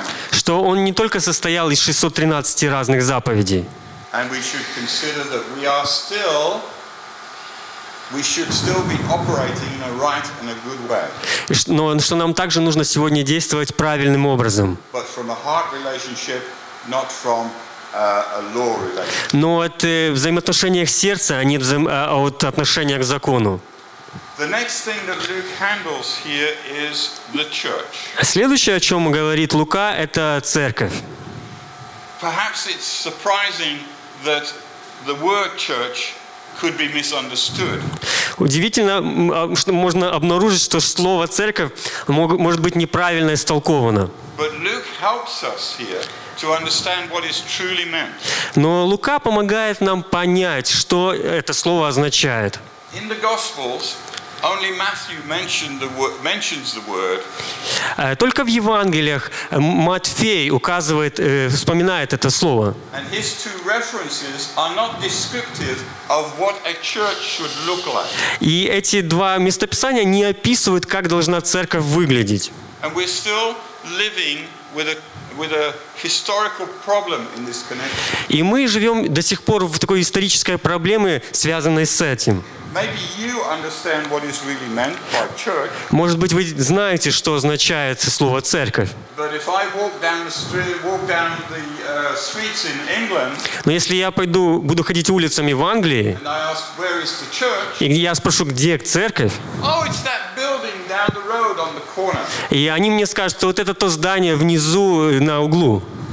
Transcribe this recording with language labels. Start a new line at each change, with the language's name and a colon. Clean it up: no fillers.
Russian: Что он не только состоял из 613 разных заповедей.
English: And we should consider that we should still be operating in a right and a good way.
Russian: Но что нам также нужно сегодня действовать правильным образом.
English: But from a heart relationship, not from a law relationship.
Russian: Но от взаимоотношениях сердца, а не от отношения к закону.
English: The next thing that Luke handles here is the church.
Russian: Следующее, о чем говорит Лука, это церковь.
English: Perhaps it's surprising that the word church could be misunderstood.
Russian: Удивительно, что можно обнаружить, что слово церковь может быть неправильно истолковано.
English: But Luke helps us here to understand what is truly meant.
Russian: Но Лука помогает нам понять, что это слово означает.
English: In the Gospels, Only Matthew mentions the word.
Russian: Только в Евангелиях Матфей указывает, вспоминает это слово.
English: And his two references are not descriptive of what a church should look like.
Russian: И эти два местописания не описывают, как должна церковь выглядеть.
English: And we're still living with a historical problem in this connection.
Russian: И мы живем до сих пор в такой исторической проблеме, связанной с этим.
English: Maybe you understand what is really meant by church.
Russian: Может быть, вы знаете, что означает слово церковь.
English: But if I walk down the streets in England,
Russian: но если я пойду, буду ходить улицами в Англии,
English: and I ask, where is the church?
Russian: И я спрошу, где церковь?
English: Oh, it's that building down the road on the corner.
Russian: И они мне скажут, что вот это то здание внизу на углу.